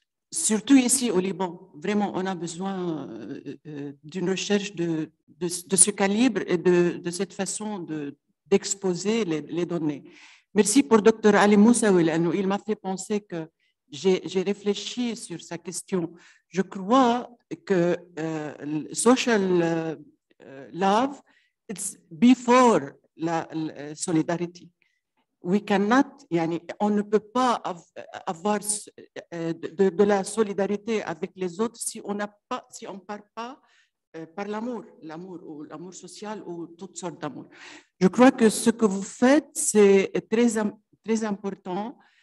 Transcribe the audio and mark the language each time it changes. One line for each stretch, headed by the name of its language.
French: Surtout ici au Liban, vraiment, on a besoin d'une recherche de ce calibre et de cette façon d'exposer les données. Merci pour Dr. Ali Moussaoui. Il m'a fait penser que j'ai réfléchi sur sa question. Je crois que
English: social love it's before la solidarity. We cannot,
French: yani, on ne peut pas avoir de la solidarité avec les autres si on n'a pas, si on part pas par l'amour ou l'amour social ou toutes sortes d'amour. Je crois que ce que vous faites, c'est très, très important.